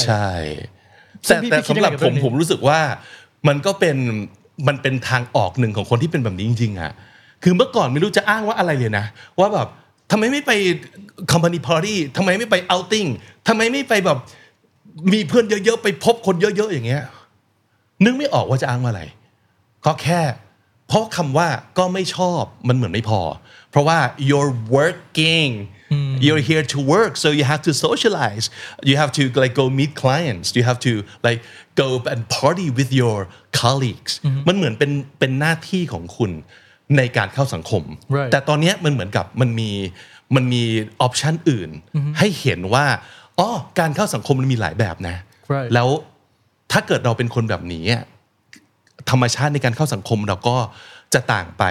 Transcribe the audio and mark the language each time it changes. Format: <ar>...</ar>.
<th>ใช่แต่สำหรับผมรู้สึกว่ามันเป็นทางออกหนึ่งของคนที่เป็นแบบนี้จริงๆอ่ะคือเมื่อก่อนไม่รู้จะอ้างว่าอะไรเลยนะว่าแบบทำไมไม่ไป company party ทำไมไม่ไป outing ทำไมไม่ไปแบบมีเพื่อนเยอะๆไปพบคนเยอะๆอย่างเงี้ยนึกไม่ออกว่าจะอ้างว่าอะไรก็แค่ เพราะคำว่าก็ไม่ชอบมันเหมือนไม่พอเพราะว่า</th> <en>you're workingYou're here to work, so you have to socialize. You have to like go meet clients. You have to like go and party with your colleagues.</en> <th>มันเหมือนเป็นหน้าที่ของคุณในการเข้าสังคม</th> <en>right.</en> <th>แต่ตอนนี้มันเหมือนกับมันมีออปชันอื่น mm-hmm. ให้เห็นว่าอ๋อการเข้าสังคมมันมีหลายแบบนะ</th> <en>right.</en> <th>แล้วถ้าเกิดเราเป็นคนแบบนี้ธรรมชาติในการเข้าสังคมเราก็จะต่างไป</th>